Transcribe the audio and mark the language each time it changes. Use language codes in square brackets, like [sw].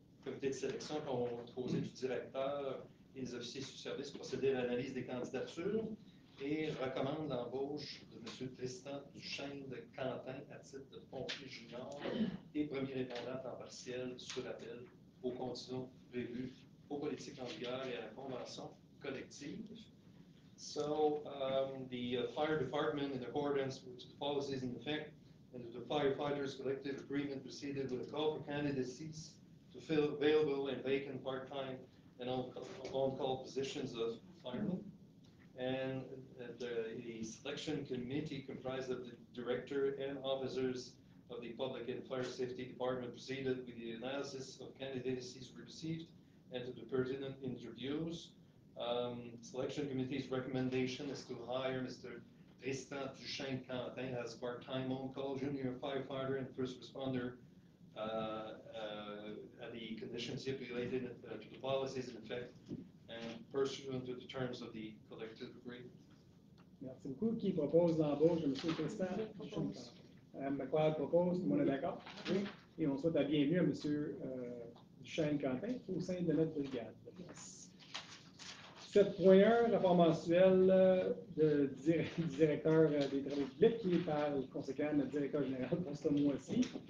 [fr] Comité de sélection qu'on a proposé du directeur. Les officiers sous service procéder à l'analyse des candidatures et recommande l'embauche de M. Tristan Duchesne de Quentin à titre de pompier junior et premier répondant en partiel sur appel aux conditions prévues aux politiques en vigueur et à la convention collective. [en] So, the fire department, in accordance with the policies in effect, and the firefighters collective agreement proceeded with a call for candidacies to fill available and vacant part-time and on-call positions of firemen. And the selection committee comprised of the director and officers of the public and fire safety department proceeded with the analysis of candidacies received and to the pertinent interviews. Selection committee's recommendation is to hire Mr. Tristan Duchesne Quentin as part-time on-call junior firefighter and first responder at the conditions stipulated to the policies in effect and pursuant to the terms of the collective agreement. [fr] Merci beaucoup. Qui propose l'embauche de M. Tristan Duchesne? Madame McLeod propose, tout le monde est d'accord? Oui. Et on souhaite la bienvenue à M. Duchesne Quentin au sein de notre brigade. [en] Yes. [fr] 7.1, rapport mensuel de directeur des travaux publics qui est par conséquent notre directeur général pour ce mois-ci.